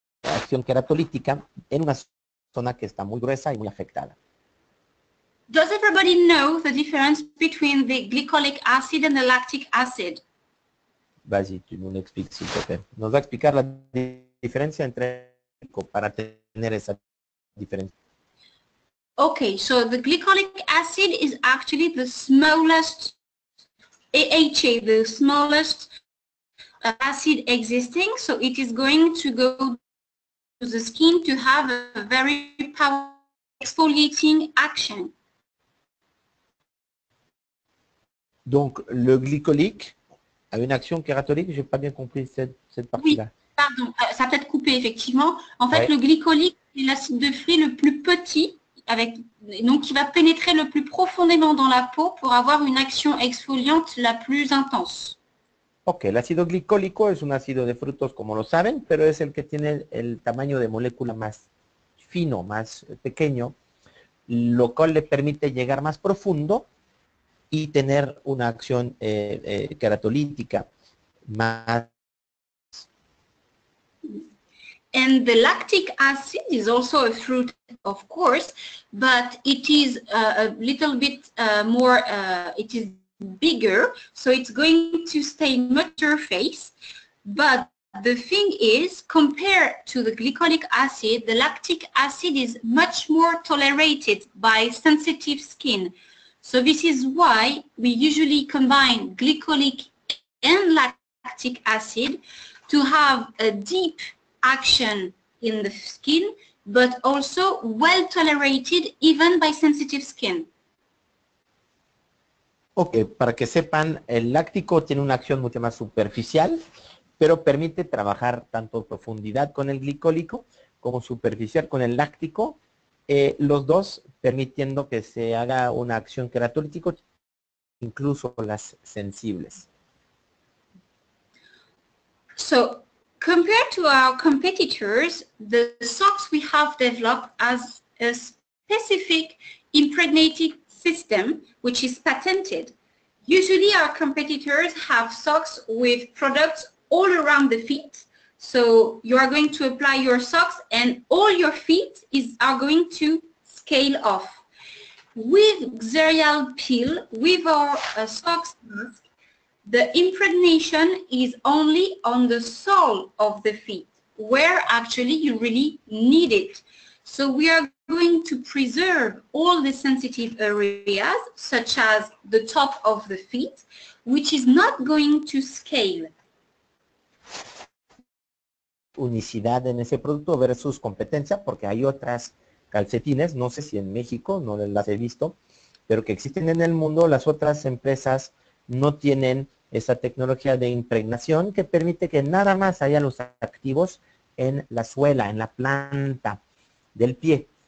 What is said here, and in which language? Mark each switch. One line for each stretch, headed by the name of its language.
Spanish: Acción queratolítica en una zona que está muy gruesa y muy afectada.
English: Does everybody know the difference between the glycolic acid and the lactic acid?
Spanish: Vas y tú me lo explicas, nos va a explicar la diferencia entre para tener esa diferencia.
English: Okay, so the glycolic acid is actually the smallest AHA, the smallest acid existing, so it is going to go the skin to have a very powerful exfoliating action.
French: Donc le glycolique a une action kératolique, j'ai pas bien compris cette partie-là. Oui, pardon, ça a peut-être coupé effectivement. En fait, ouais. Le glycolique est l'acide de fruit le plus petit, avec donc qui va pénétrer le plus profondément dans la peau pour avoir une action exfoliante la plus intense.
Spanish: Ok, el ácido glicólico es un ácido de frutos, como lo saben, pero es el que tiene el tamaño de molécula más fino, más pequeño, lo cual le permite llegar más profundo y tener una acción queratolítica más.
English: And the lactic acid is also a fruit, of course, but it is a little bit more, it is bigger, so it's going to stain mature face, but the thing is, compared to the glycolic acid, the lactic acid is much more tolerated by sensitive skin. So this is why we usually combine glycolic and lactic acid to have a deep action in the skin, but also well tolerated even by sensitive skin.
Spanish: Ok, para que sepan, el láctico tiene una acción mucho más superficial, pero permite trabajar tanto profundidad con el glicólico como superficial con el láctico, los dos permitiendo que se haga una acción queratolítica, incluso las sensibles.
English: So, compared to our competitors, the socks we have developed as a specific impregnated system, which is patented. Usually our competitors have socks with products all around the feet. So you are going to apply your socks and all your feet are going to scale off. With Xerial Peel, with our socks mask, the impregnation is only on the sole of the feet, where actually you really need it. So we are going to preserve all the sensitive areas, such as the top of the feet, which is not going to scale.
Spanish: Unicidad en ese producto versus competencia, porque hay otras calcetines, no sé si en México, no las he visto, pero que existen en el mundo, las otras empresas no tienen esa tecnología de impregnación que permite que nada más haya los activos en la suela, en la planta del pie.